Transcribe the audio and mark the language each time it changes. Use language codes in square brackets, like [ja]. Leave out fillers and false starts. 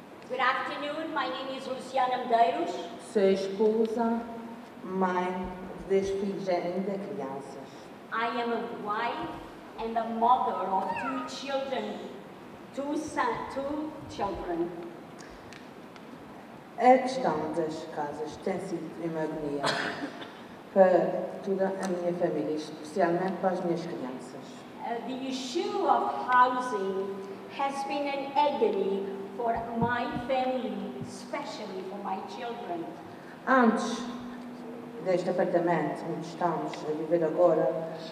[en] Good afternoon, my name is Luciana Medeiros. [pt] Sou esposa, mãe, desfigênio de crianças. [en] I am a wife and a mother of two children. Two children. [pt] A questão das casas tem sido uma agonia para toda a minha família, especialmente para as minhas crianças. [en] The issue of housing has been an agony for my family, especially for my children. [pt] Antes deste apartamento onde estamos a viver agora,